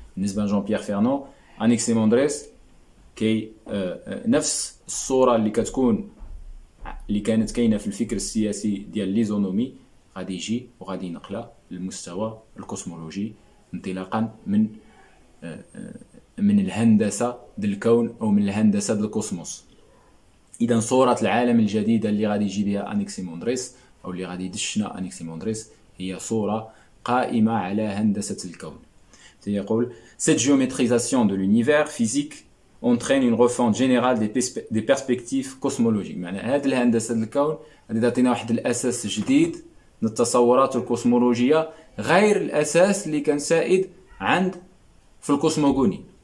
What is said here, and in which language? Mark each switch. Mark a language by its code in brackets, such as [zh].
[ar] بالنسبة لجون بيير فيرنون أنيكسيمندريس كي نفس الصورة اللي كانت كاينة في الفكر السياسي ديال ليزونومي غادي يجي وغادي ينقلها للمستوى الكوسمولوجي انطلاقا من الهندسة للكون أو من الهندسة للكوسموس. إذا صورة العالم الجديدة اللي غادي يجي بها أنيكسيموندريس أو اللي غادي يدشنا أنيكسيموندريس هي صورة قائمة على هندسة الكون. [fr] يقول cette géométrisation de l'univers physique entraîne une refonte générale des perspectives cosmologiques. [ar] معناها هذه الهندسة الكون غادي تعطينا واحد الأساس جديد للتصورات الكوسمولوجية غير الأساس اللي كان سائد عند في الكوسموغوني.